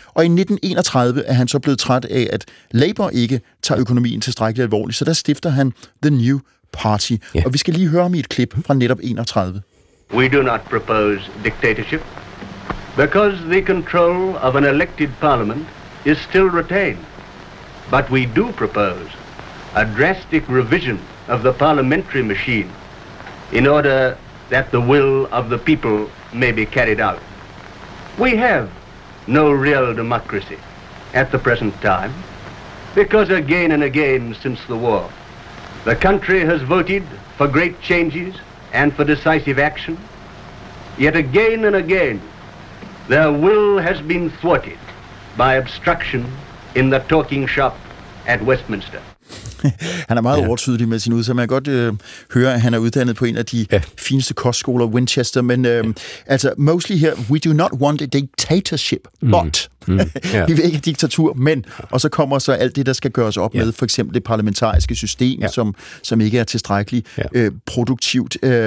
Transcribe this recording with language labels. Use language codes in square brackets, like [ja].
[da] Og i 1931 er han så blevet træt af, at Labour ikke tager økonomien tilstrækkeligt alvorligt, så der stifter han The New Party. Ja. Og vi skal lige høre om et klip fra netop 31. [en] We do not propose dictatorship. Because the control of an elected parliament is still retained. But we do propose a drastic revision of the parliamentary machine in order that the will of the people may be carried out. We have no real democracy at the present time because again and again since the war, the country has voted for great changes and for decisive action, yet again and again their will has been thwarted by obstruction in the talking shop at Westminster. [da] Han er meget overtydelig med sin udsag. Man kan godt høre, at han er uddannet på en af de fineste kostskoler, Winchester. Men altså, Mosley her, [en] we do not want a dictatorship, but. [da] Vi vil ikke have diktatur, men. Og så kommer så alt det, der skal gøres op med, for eksempel det parlamentariske system, som ikke er tilstrækkeligt produktivt.